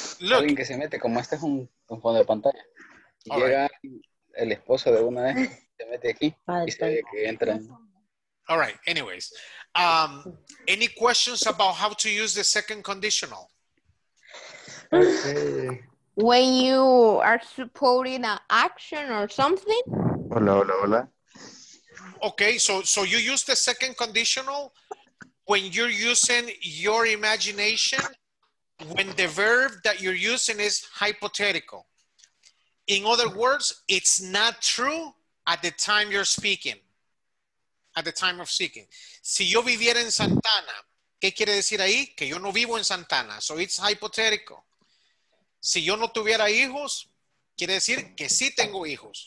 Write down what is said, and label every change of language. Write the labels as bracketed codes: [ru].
[es] Alguien que se mete, como este es un fondo de pantalla. Llega el esposo de una de estas, se mete aquí y sabe que entra. [en] All right, anyways. Any questions about how to use the second conditional? Okay. When you are supporting an action or something? [es] Hola. [en] Okay, so you use the second conditional when you're using your imagination, when the verb that you're using is hypothetical. In other words, it's not true at the time you're speaking. At the time of speaking. [es] Si yo viviera en Santana, ¿qué quiere decir ahí? Que yo no vivo en Santana. [en] So it's hypothetical. [es] Si yo no tuviera hijos, quiere decir que sí tengo hijos.